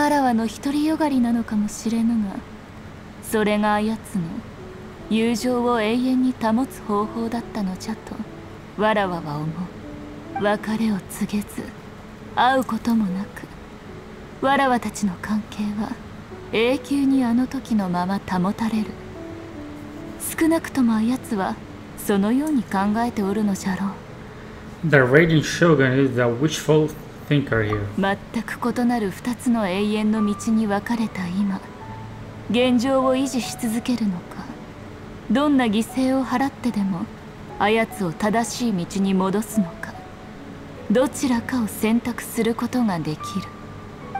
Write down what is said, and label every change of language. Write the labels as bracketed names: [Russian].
[Japanese] わらわの独りよがりなのかもしれぬが、それがあやつの友情を永遠に保つ方法だったのじゃとわらわは思う。別れを告げず会うこともなく、わらわたちの関係は永久にあの時のまま保たれる。少なくともあやつはそのように考えておるのじゃろう。 [English] The Raiden Shogun is a wishful thinker here. [Japanese] 全く異なる二つの永遠の道に分かれた今、現状を維持し続けるのか、どんな犠牲を払ってでもあやつを正しい道に戻すのか、どちらかを選択することができる。